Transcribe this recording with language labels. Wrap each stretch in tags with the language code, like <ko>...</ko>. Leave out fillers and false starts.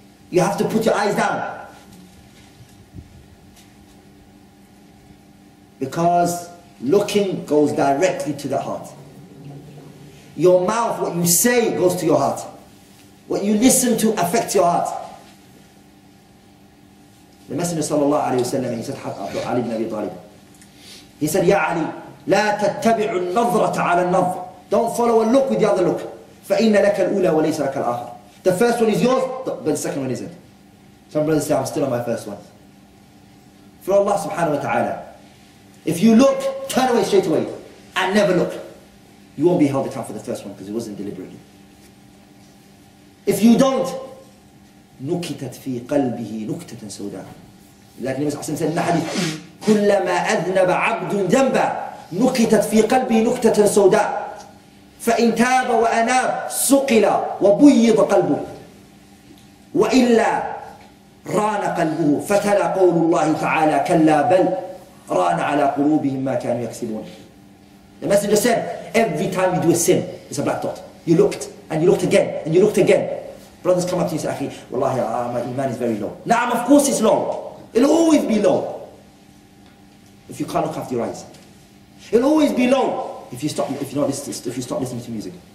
<en>You have to put your eyes down. Because looking goes directly to the heart. Your mouth, what you say, goes to your heart. What you listen to affects your heart.</en> <ar>The Messenger صلى الله عليه وسلم, he said, حق عبد علي بن أبي طالب.</ar> <en>He said,</en> <ar>يا علي, لا تتبع النظرة على النظر.</ar> <en>Don't follow a look with the other look.</en> <ar>فإن لك الأولى وليس لك الآخر.</ar> <en>The first one is yours, but the second one isn't. Some brothers say, I'm still on my first one. For Allah subhanahu wa ta'ala, if you look, turn away straight away and never look. You won't be held accountable for the first one because it wasn't deliberately. If you don't,</en> <ar>نكتت في قلبه نكتة سوداء. لكن النبي صلى الله عليه وسلم نحدي كلما أذنب عبد ذنبا نكتت في قلبه نكتة سوداء فإن تاب وأناب سقل وبيض قلبه وإلا ران قلبه فتلا قول الله تعالى كلا بل ران على قلوبهم ما كانوا يكسبون.</ar> <en>The messenger said, every time you do a sin, it's a black dot. You looked and you looked again and you looked again. Brothers come up to you and say, Akhi, wallahi, my iman is very low. Na'am, of course it's low. It'll always be low if you can't look after your eyes. It'll always be low if you stop listening to music.</en>